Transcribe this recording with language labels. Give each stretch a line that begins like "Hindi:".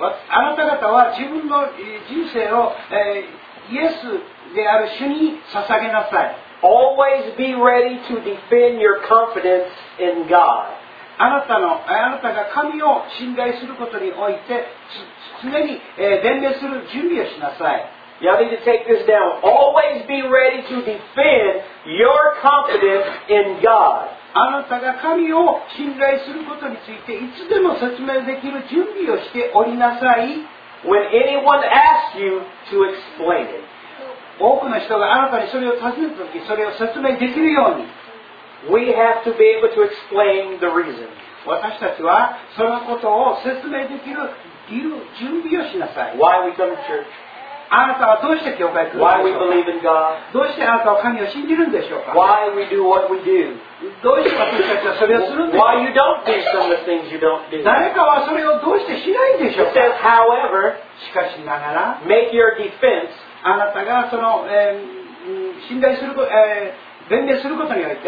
Japanese: あなた方は自分の人生を、イエスである主に捧げなさい。
English: Always be ready to defend your confidence in God.
Japanese: あなたが神を信頼することにおいて常に、弁明する準備をしなさい。
English: Y'all need to take this down. Always be ready to defend your confidence in God.
Japanese: あなたが神を信頼することについていつでも説明できる準備をしておりなさい。
English: When anyone asks you to explain it.
Japanese: 多くの人があなたにそれを尋ねたとき、それを説明できるように。
English: We have to be able to explain the reason.
Japanese: 私たちはそのことを説明できる準備をしなさい。
English: Why we come to church?
Japanese: あなたはどうして教会に来るんでしょうか?
English: Why we believe in God?
Japanese: どうしてあなたは神を信じるんでしょうか?
English: Why we do what we do?
Japanese: どうして私たちはそれをするんでしょうか?
English: Why you don't do some of the things you don't do?
Japanese: 誰かはそれをどうしてしないんでしょうか?
English: It says, however,
Japanese: しかしながら、
English: make your defense,
Japanese: あなたがその、信頼する、弁明することによって、